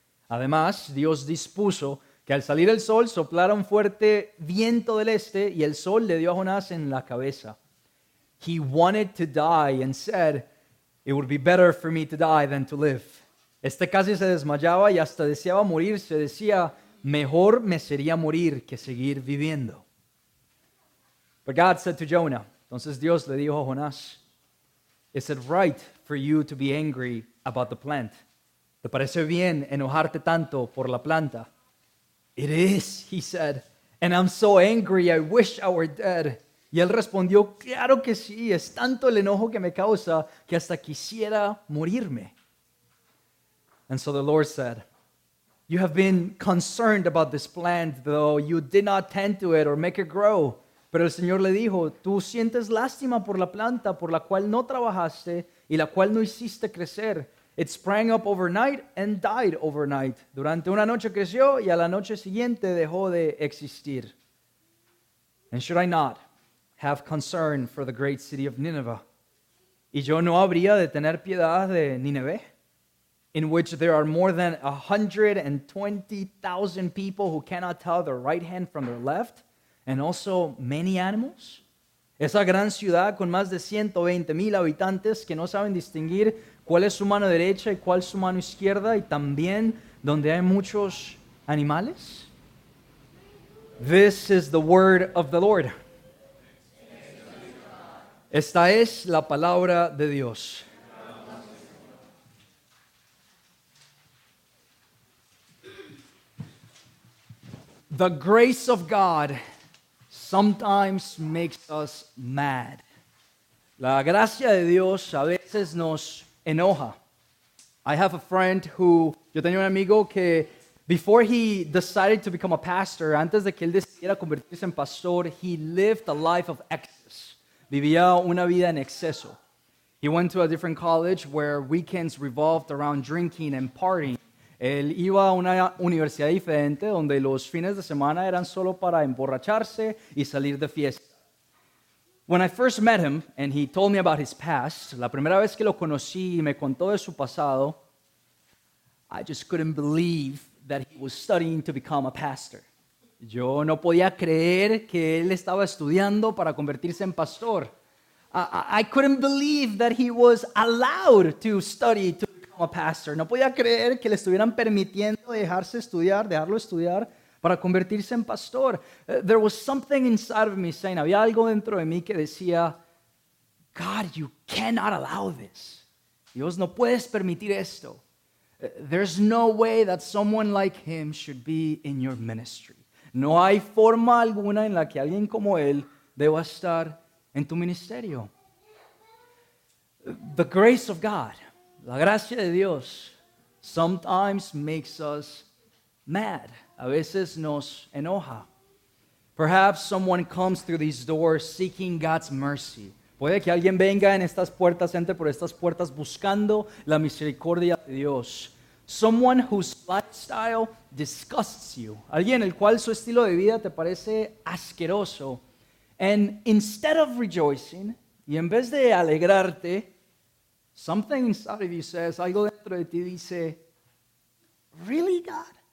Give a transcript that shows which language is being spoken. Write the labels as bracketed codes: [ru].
[es] Además, Dios dispuso que al salir el sol, soplara un fuerte viento del este, y el sol le dio a Jonás en la cabeza. [en] He wanted to die and said, it would be better for me to die than to live. [es] Este casi se desmayaba y hasta deseaba morir. Se decía, mejor me sería morir que seguir viviendo. [en] But God said to Jonah, [es] entonces Dios le dijo a Jonás, [en] is it right for you to be angry about the plant? [es] ¿Te parece bien enojarte tanto por la planta? [en] It is, he said, and I'm so angry, I wish I were dead. [es] Y él respondió, claro que sí, es tanto el enojo que me causa que hasta quisiera morirme. [en] And so the Lord said, you have been concerned about this plant, though you did not tend to it or make it grow. [es] Pero el Señor le dijo, tú sientes lástima por la planta por la cual no trabajaste y la cual no hiciste crecer. [en] It sprang up overnight and died overnight. [es] Durante una noche creció y a la noche siguiente dejó de existir. [en] And should I not have concern for the great city of Nineveh? [es] ¿Y yo no habría de tener piedad de Nineveh? [en] In which there are more than 120,000 people who cannot tell their right hand from their left, and also many animals? [es] Esa gran ciudad con más de 120,000 habitantes que no saben distinguir cuál es su mano derecha y cuál su mano izquierda, y también donde hay muchos animales? [en] This is the word of the Lord. [es] Esta es la palabra de Dios. [en] The grace of God sometimes makes us mad. [es] La gracia de Dios a veces nos enoja. [en] I have a friend who, [es] yo tenía un amigo que, [en] before he decided to become a pastor, [es] antes de que él decidiera convertirse en pastor, [en] he lived a life of excess. [es] Vivía una vida en exceso. [en] He went to a different college where weekends revolved around drinking and partying. [es] Él iba a una universidad diferente donde los fines de semana eran solo para emborracharse y salir de fiesta. [en] When I first met him and he told me about his past, [es] la primera vez que lo conocí y me contó de su pasado, [en] I just couldn't believe that he was studying to become a pastor. [es] Yo no podía creer que él estaba estudiando para convertirse en pastor. [en] I couldn't believe that he was allowed to study to become a pastor. [es] No podía creer que le estuvieran permitiendo dejarlo estudiar para convertirse en pastor. [en] There was something inside of me saying, [es] había algo dentro de mí que decía, [en] God, you cannot allow this. [es] Dios, no puedes permitir esto. [en] There's no way that someone like him should be in your ministry. [es] No hay forma alguna en la que alguien como él deba estar en tu ministerio. [en] The grace of God, [es] la gracia de Dios, [en] sometimes makes us mad. [es] A veces nos enoja. [en] Perhaps someone comes through these doors seeking God's mercy. [es] Puede que alguien venga en estas puertas, entre por estas puertas buscando la misericordia de Dios. [en] Someone whose lifestyle disgusts you. [es] Alguien el cual su estilo de vida te parece asqueroso. [en] And instead of rejoicing, [es] y en vez de alegrarte, [en] something inside of you says, [es] algo dentro de ti dice, [en] really, God?